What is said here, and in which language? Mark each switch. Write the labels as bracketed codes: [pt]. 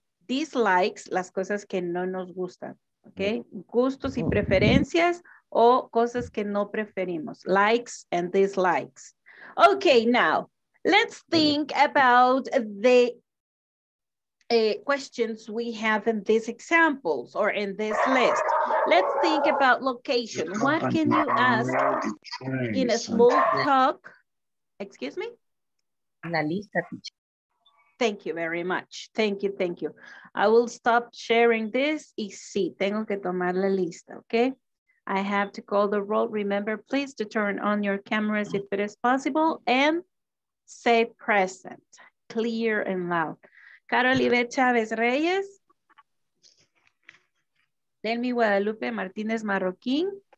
[es] Dislikes, las cosas que no nos gustan, ¿ok? Gustos y preferencias o cosas que no preferimos. [en] Likes and dislikes. Ok, now, let's think about the questions we have in these examples or in this list. Let's think about location. What can you ask in a small talk? Excuse me? [es] La lista, teacher. [en] Thank you very much. Thank you, thank you. I will stop sharing this. [es] Y sí, tengo que tomar la lista, okay? [en] I have to call the roll. Remember, please, to turn on your cameras if it is possible and say present, clear and loud. Carolina Chavez Reyes. Delmi Guadalupe Martinez Marroquín.